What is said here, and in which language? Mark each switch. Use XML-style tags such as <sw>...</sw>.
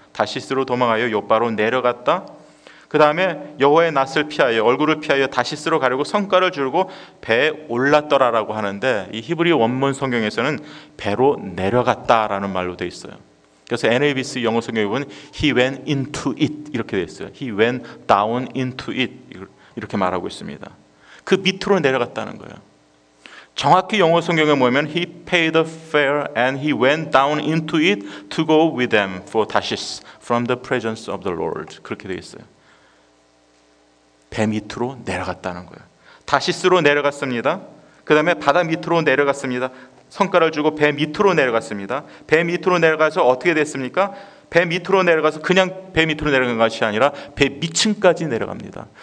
<ko>다시스로 도망하여 욥바로 내려갔다. 그 다음에 여호와의 낯을 피하여 얼굴을 피하여 다시스로 가려고 성과를 줄고 배에 올랐더라라고 하는데 이 히브리 원문 성경에서는 배로 내려갔다라는 말로 되어 있어요. 그래서 NABC 영어 성경에 보면</ko> <en>He went into it</en> <ko>이렇게 되어 있어요.</ko> <en>He went down into it</en> <ko>이렇게 말하고 있습니다. 그 밑으로 내려갔다는 거예요. 정확히 영어 성경에 보면</ko> <en>He paid the fare and he went down into it to go with them for Tarshish from the presence of the Lord</en> <ko>그렇게 되어 있어요. 배 밑으로 내려갔다는 거예요. 다시스로 내려갔습니다. 그 다음에 바다 밑으로 내려갔습니다. 성과를 주고 배 밑으로 내려갔습니다. 배 밑으로 내려가서 어떻게 됐습니까? 배 밑으로 내려가서 그냥 배 밑으로 내려간 것이 아니라 배 밑층까지 내려갑니다.</ko>